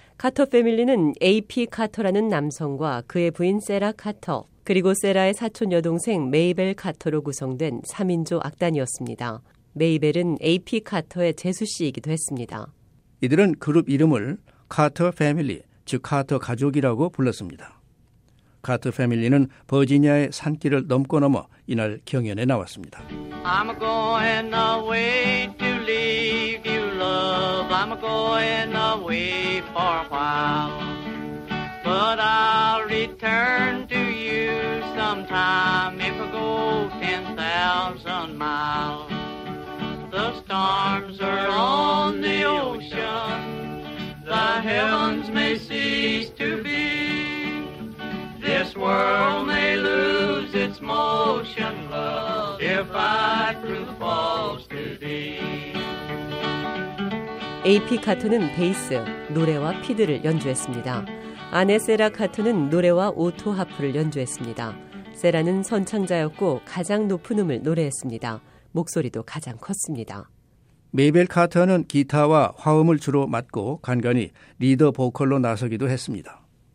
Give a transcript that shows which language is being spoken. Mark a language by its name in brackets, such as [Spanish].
[Korean] 카터 패밀리는 AP 카터라는 남성과 그의 부인 세라 카터, 그리고 세라의 사촌 여동생 메이벨 카터로 구성된 3인조 악단이었습니다. 메이벨은 AP 카터의 제수 씨이기도 했습니다. 이들은 그룹 이름을 카터 패밀리, 즉 카터 가족이라고 불렀습니다. 카터 패밀리는 버지니아의 산길을 넘고 넘어 이날 경연에 나왔습니다. [English] I'm going away to leave you love. I'm going away for a while. But I'll return to you sometime if I go 10,000 miles. The storms are on the ocean. The heavens may cease to be. This world may lose its motion, love, if I prove false to thee. [Korean] AP 카터는 베이스, 노래와 피드를 연주했습니다. 아내 세라 카터는 노래와 오토 하프를 연주했습니다. 세라는 선창자였고 가장 높은 음을 노래했습니다. 목소리도 가장 컸습니다. 메이벨 카터는 기타와 화음을 주로 맡고 간간이 리더 보컬로 나서기도 했습니다.